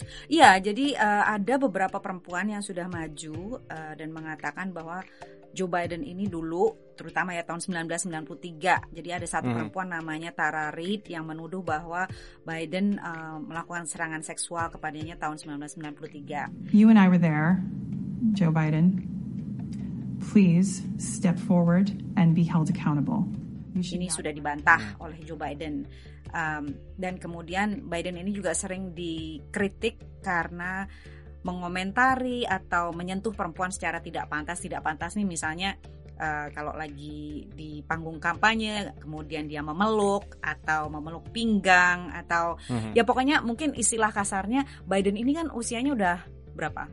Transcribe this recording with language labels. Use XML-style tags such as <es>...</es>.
<id>Iya, jadi ada beberapa perempuan yang sudah maju dan mengatakan bahwa Joe Biden ini dulu, terutama ya tahun 1993, jadi ada satu perempuan namanya Tara Reid yang menuduh bahwa Biden melakukan serangan seksual kepadanya tahun 1993.</id> <en>You and I were there, Joe Biden. Please step forward and be held accountable.</en> <id>Ini sudah dibantah oleh Joe Biden. Dan kemudian Biden ini juga sering dikritik karena mengomentari atau menyentuh perempuan secara tidak pantas. Tidak pantas nih misalnya kalau lagi di panggung kampanye, kemudian dia memeluk atau memeluk pinggang atau ya pokoknya mungkin istilah kasarnya, Biden ini kan usianya udah berapa?</id>